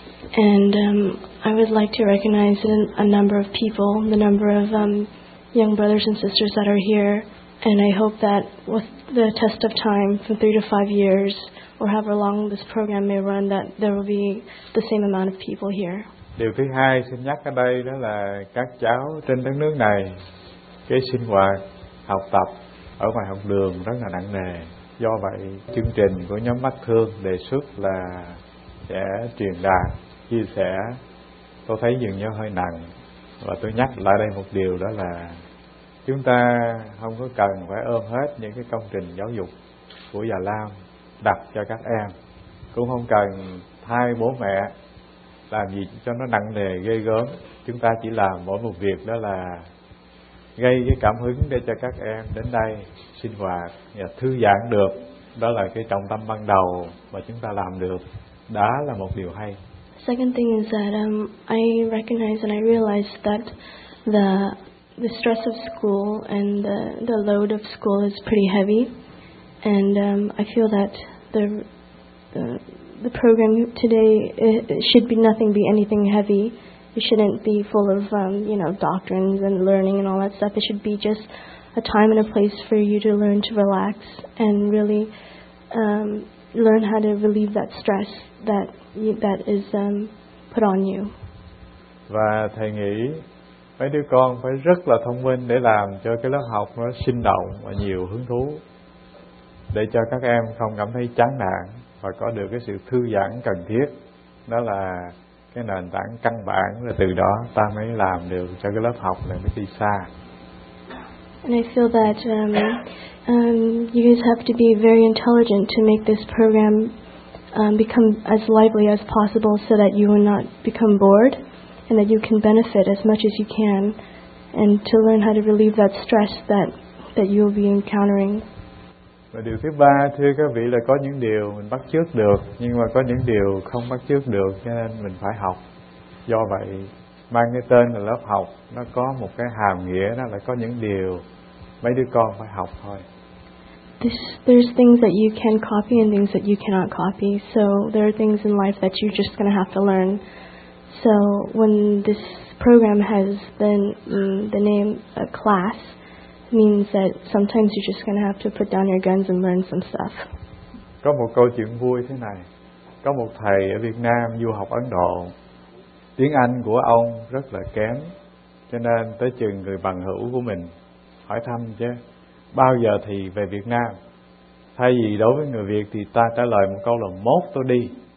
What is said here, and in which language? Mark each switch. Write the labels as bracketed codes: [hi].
[en] And I would like to recognize a number of people, the number of young brothers and sisters that are here. And I hope that with the test of time from 3 to 5 years, or however long this program may run, that there will be the same amount of people here. [vi] Điều thứ hai xin nhắc ở đây đó là các cháu trên đất nước này, cái sinh hoạt học tập ở ngoài học đường rất là nặng nề. Do vậy, chương trình của nhóm Mắt Thương đề xuất là sẽ truyền đạt, chia sẻ. Tôi thấy dường như hơi nặng. Và tôi nhắc lại đây một điều đó là chúng ta không có cần phải ôm hết những cái công trình giáo dục của già lao đặt cho các em. Cũng không cần thay bố mẹ làm gì cho nó nặng nề ghê gớm. Chúng ta chỉ làm mỗi một việc đó là gây cái cảm hứng để cho các em đến đây sinh hoạt và thư giãn được. Đó là cái trọng tâm ban đầu mà chúng ta làm được. Đó là một điều hay. [en] Second thing is that I recognize and I realize that the stress of school and the load of school is pretty heavy. And I feel that the program today it should be nothing be anything heavy. It shouldn't be full of, you know, doctrines and learning and all that stuff. It should be just a time and a place for you to learn to relax and really learn how to relieve that stress that is put on you. [vi] Và thầy nghĩ mấy đứa con phải rất là thông minh để làm cho cái lớp học nó sinh động và nhiều hứng thú, để cho các em không cảm thấy chán nản và có được cái sự thư giãn cần thiết. Đó là cái nền tảng căn bản, là từ đó ta mới làm được cho cái lớp học này mới đi xa. [en] And I feel that you guys have to be very intelligent to make this program become as lively as possible, so that you will not become bored, and that you can benefit as much as you can, and to learn how to relieve that stress that you will be encountering. [vi] Và điều thứ ba, thưa các vị, là có những điều mình bắt chước được, nhưng mà có những điều không bắt chước được, cho nên mình phải học. Do vậy, mang cái tên là lớp học, nó có một cái hàm nghĩa, đó là có những điều mấy đứa con phải học thôi. [en] There's things that you can copy and things that you cannot copy. So there are things in life that you're just going to have to learn. So when this program has the name a class, means that sometimes you're just going to have to put down your guns and learn some stuff. [vi] Có một câu chuyện vui thế này. Có một thầy ở Việt Nam du học Ấn Độ. Tiếng Anh của ông rất là kém. Cho nên tới chừng người bằng hữu của mình hỏi thăm chứ, bao giờ thì về Việt Nam? Thay vì đối với người Việt thì ta trả lời một câu là mốt tôi đi.